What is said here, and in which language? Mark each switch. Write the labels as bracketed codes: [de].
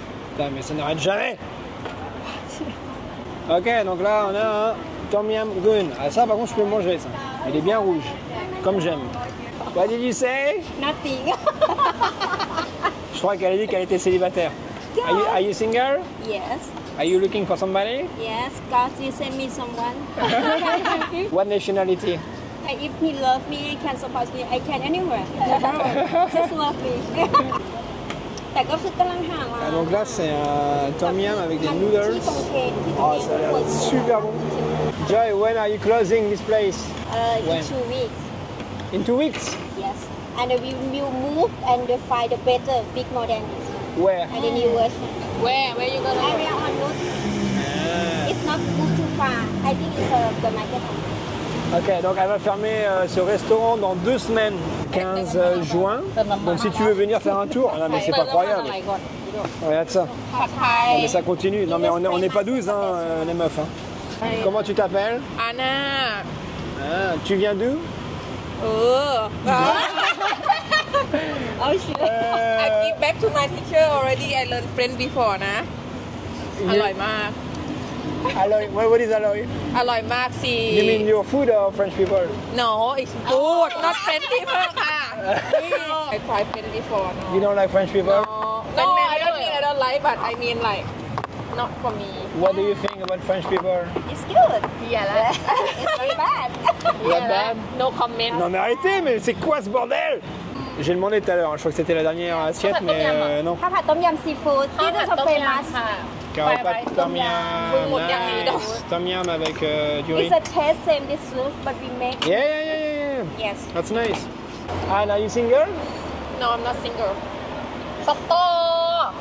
[fr] Putain, mais ça n'arrête jamais. Ok, donc là on a un Tom Yam Goon. Ah, ça par contre je peux le manger, ça. Il est bien rouge, comme j'aime. [en] What did you say? Nothing. [fr] Je crois qu'elle a dit qu'elle était célibataire. [en] Are you single? Yes. Are you looking for somebody? Yes, God, you send me someone. What nationality? If he loves me, he can support me. I can anywhere. Just love me. [fr] Ah, donc là, c'est un tom yam avec des noodles. Oh, ça a l'air super bon. [en] Joy, when are you closing this place? In 2 weeks. In 2 weeks? Yes. And we will move and find a better, big more than this. Where? And a new version. Where are you going? Area on road. It's not too far. I think it's the market. [fr] Ok, donc elle va fermer ce restaurant dans 2 semaines, 15 juin. Donc si tu veux venir faire un tour, non mais c'est pas croyable. Regarde ça. Non mais ça continue. Non mais on n'est pas 12 hein, les meufs. Hein. Comment tu t'appelles? Anna. Ah, tu viens d'où? Oh. [en] Oh shit. I came back to my teacher already. I learned French before, na. [th] Aloy ma. [en] Aloy, what is aloy? [th] Aloy Maxi. [en] You mean your food or French people? No, it's food, not French people. I tried French before. No. You don't like French people? No, no, I don't mean I don't like, but I mean like not for me. What do you think about French people? It's good. Yeah, like, it's very bad. Yeah, bad. No comment. [fr] Non mais arrêtez, mais c'est quoi ce bordel? J'ai demandé tout à l'heure, je crois que c'était la dernière assiette, mais non. [en] Papa Tom Yam Seafood, this is famous. [fr] Carol Pat Tom Yam, nice. Tom Yam avec du riz. [en] It's a taste same, this soup, but we make... Yeah. Yes. That's nice. Anne, are you single? No, I'm not single. Sokto!